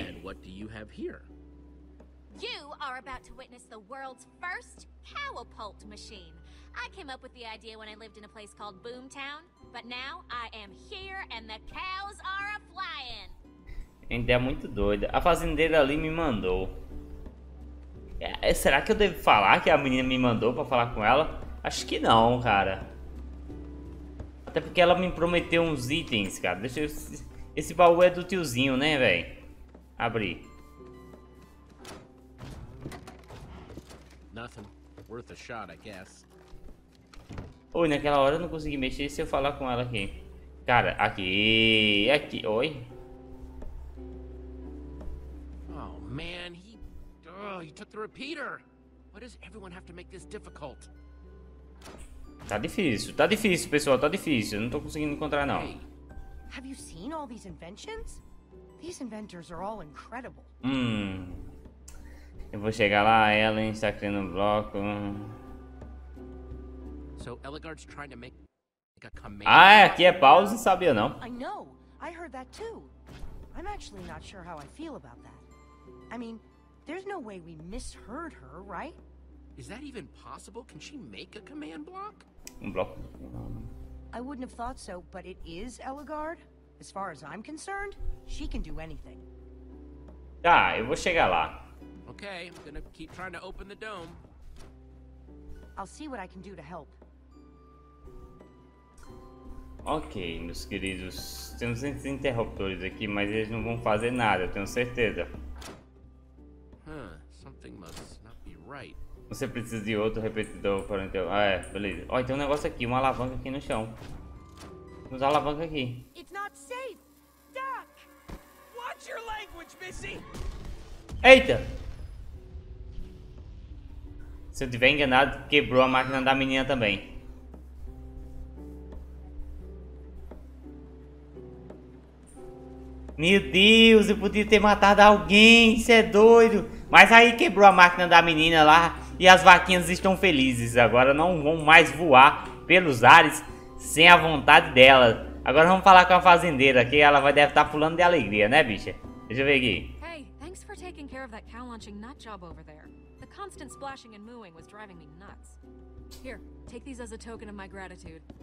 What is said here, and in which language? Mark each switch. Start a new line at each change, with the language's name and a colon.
English: And what do you have here? You are about to witness the world's first cowapult machine. I came up with the idea when I lived in a place called Boomtown, but now I am here and the cows are a flying.
Portuguese: Ainda é muito doida. A fazendeira ali me mandou. É, será que eu devo falar que a menina me mandou para falar com ela? Acho que não, cara. Até porque ela me prometeu uns itens, cara. Deixa eu... Esse baú é do tiozinho, né, velho? Abri.
English: Nothing worth a shot, I guess.
Portuguese: Oi, naquela hora eu não consegui mexer se eu falar com ela aqui. Cara, aqui, aqui, oi.
English: Oh, man, he took the repeater. Why does everyone have to make this difficult?
Portuguese: Tá difícil, pessoal, tá difícil. Não tô conseguindo encontrar não.
English: Hey, Have you seen all these inventions? These inventors are all incredible.
Portuguese: Eu vou chegar lá, Ellen está criando um bloco.
English: So Elagard's trying to make a command.
Portuguese: Ah, aqui é pausa, sabia não?
English: I know. I heard that too. I'm actually not sure how I feel about that. I mean, there's no way we misheard her, right? Is that even possible? Can she make a command block?
Portuguese: Um bloco.
English: I wouldn't have thought so, but it is Elagard. As far as I'm concerned, she can do anything.
Portuguese: Tá, eu vou chegar lá.
English: Okay, I'm gonna keep trying to open the dome. I'll see what I can do to help.
Portuguese: Ok, meus queridos. Temos esses interruptores aqui, mas eles não vão fazer nada, eu tenho certeza.
English: Something must not be right.
Portuguese: Você precisa de outro repetidor para então. Ah, é, beleza. Ó, tem um negócio aqui, uma alavanca aqui no chão. Vamos usar a alavanca aqui.
English: It's not safe. Duck. Watch your language, Missy.
Portuguese: Eita! Se eu tiver enganado, quebrou a máquina da menina também. Meu Deus, eu podia ter matado alguém, isso é doido. Mas aí quebrou a máquina da menina lá e as vaquinhas estão felizes. Agora não vão mais voar pelos ares sem a vontade dela. Agora vamos falar com a fazendeira, que ela deve estar pulando de alegria, né, bicha? Deixa eu ver aqui.
English: Hey, thanks for taking care of that cow launching nut job over there. The constant splashing and mooing was driving me nuts. Here, take these as a token of my gratitude.